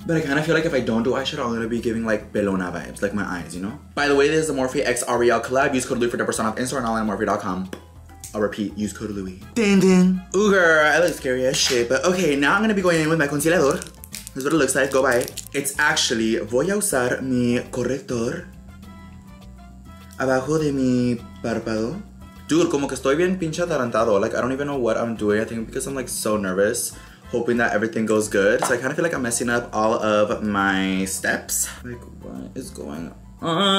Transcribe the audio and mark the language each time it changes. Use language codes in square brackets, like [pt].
[en] But I kind of feel like if I don't do eyeshadow, I'm going to be giving like Bellona vibes, like my eyes, you know? By the way, this is the Morphe X Ariel collab. Use code Louie for 10% off Instagram and online at morphe.com. I'll repeat, use code Louie. Ding ding. Ooh girl, I look scary as shit. But okay, now I'm going to be going in with my concealer. This is what it looks like. Go buy it. It's actually, [es] voy a usar mi corrector abajo de mi párpado. Dude, como que estoy bien pinche atarantado. [en] Like, I don't even know what I'm doing. I think because I'm like so nervous, hoping that everything goes good. So I kind of feel like I'm messing up all of my steps. Like, what is going on?